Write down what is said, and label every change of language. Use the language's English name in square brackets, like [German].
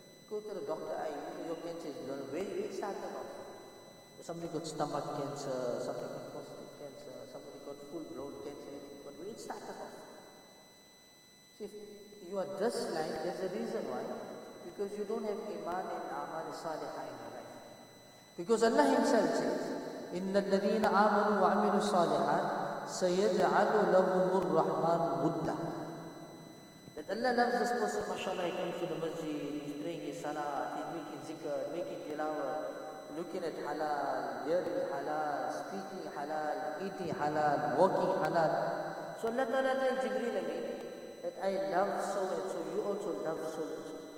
[English] Go to the doctor, your cancer is gone. Where did it start about? Somebody got stomach cancer, somebody got prostate cancer, somebody got full-blown cancer. But where did it start about? So if you are this line, there's a reason why. Because you don't have iman and amal salihah in your life. Because Allah Himself says, [Arabic] إِنَّ الَّذِينَ آمَنُوا وَعَمِلُوا الصَّالِحَاتِ سَيَجْعَلُ لَهُمُ الرَّحْمَنُ وُدًّا. [English] That Allah loves this person, mashallah, he comes to the masjid, he's praying his salat, he's making zikr, making tilawah, looking at halal, hearing halal, speaking halal, eating halal, walking halal. So Allah Ta'ala tells Jibreel again, that I love so and so, you also love so and so.